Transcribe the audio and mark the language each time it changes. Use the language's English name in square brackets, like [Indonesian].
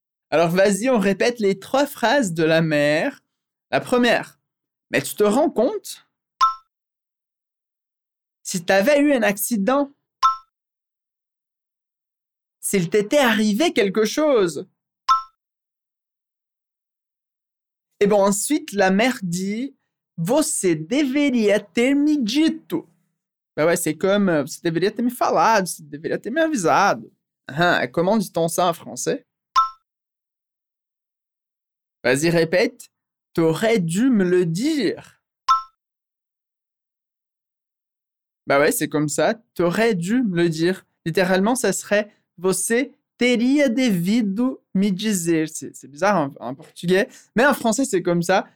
[French] Alors vas-y, on répète les trois phrases de la mère. La première. Mais tu te rends compte? Si t'avais eu un accident? S'il t'était arrivé quelque chose? Et bon, ensuite, la mère dit [Portuguese] « Você deveria ter me dito. » [French] Ben ouais, c'est comme [Portuguese] « Você deveria ter me falado, você deveria ter me avisado. [French] Hein, » comment dit-on ça en français? Vas-y, répète. « T'aurais dû me le dire. » Ben ouais, c'est comme ça. « T'aurais dû me le dire. » Littéralement, ça serait « [Portuguese] Você teria devido me dizer. [French] » C'est bizarre en portugais, mais en français, c'est comme ça.